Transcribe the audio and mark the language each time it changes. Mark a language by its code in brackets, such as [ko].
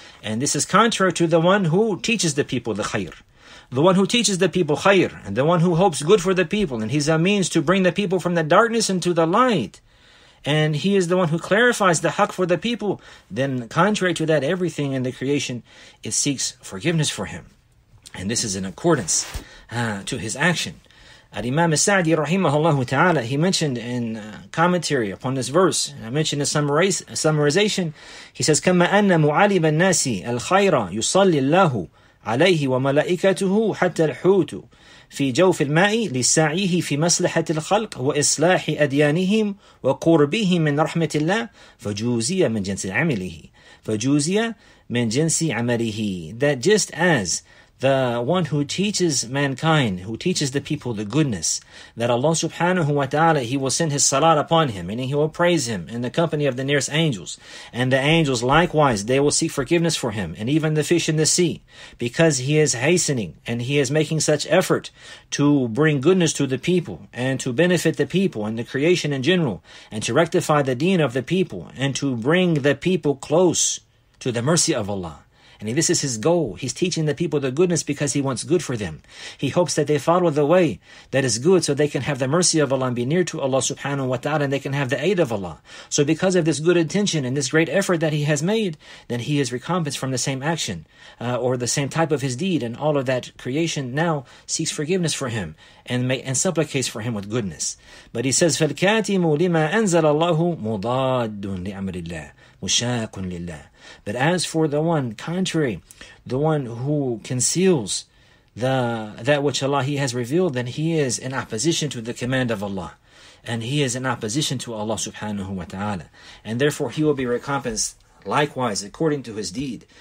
[en] And this is contrary to the one who teaches the people the khayr. The one who teaches the people khayr, and the one who hopes good for the people, and he's a means to bring the people from the darkness into the light, and he is the one who clarifies the haq for the people, then contrary to that, everything in the creation, it seeks forgiveness for him. And this is in accordance to his action. Al-Imam al-Sa'di rahimahullah ta'ala, he mentioned in commentary upon this verse, and I mentioned a summarization, he says, [ar] كَمَّا أَنَّ مُعَلِبَ النَّاسِ الْخَيْرَ يُصَلِّ اللَّهُ عليه وملائكته حتى الحوت في جوف الماء لسعيه في مصلحة الخلق وإصلاح أديانهم وقربهم من رحمة الله فجوزية من جنس عمله فجوزية من جنس عمله. [en] That just as the one who teaches mankind, who teaches the people the goodness, that Allah subhanahu wa ta'ala, he will send his salat upon him, meaning he will praise him in the company of the nearest angels. And the angels likewise, they will seek forgiveness for him, and even the fish in the sea, because he is hastening and he is making such effort to bring goodness to the people and to benefit the people and the creation in general, and to rectify the deen of the people and to bring the people close to the mercy of Allah. And this is his goal. He's teaching the people the goodness because he wants good for them. He hopes that they follow the way that is good so they can have the mercy of Allah and be near to Allah subhanahu wa ta'ala, and they can have the aid of Allah. So because of this good intention and this great effort that he has made, then he is recompensed from the same action or the same type of his deed, and all of that creation now seeks forgiveness for him and supplicates for him with goodness. But he says, [ar] فَالْكَاتِمُ لِمَا أَنزَلَ اللَّهُ مُضَادٌ لِعَمْرِ اللَّهِ مُشَاقٌ لِلَّهِ. [en] But as for the one contrary, the one who conceals that which Allah he has revealed, then he is in opposition to the command of Allah. And he is in opposition to Allah subhanahu wa ta'ala. And therefore he will be recompensed likewise according to his deed.